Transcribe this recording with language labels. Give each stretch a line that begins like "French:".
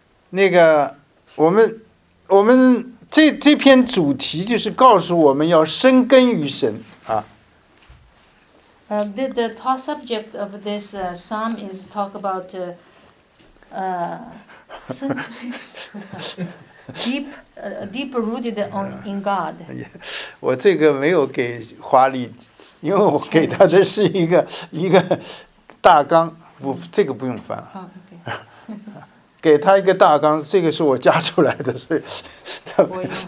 Chinese: 那个我们这篇主题就是告诉我们要深根于神啊。
English: The top subject of this psalm is talk about deep rooted on in God.
Chinese: 我这个没有给华丽，因为我给他的是一个大纲，不，这个不用翻了。给他一个大纲，这个是我加出来的，所以。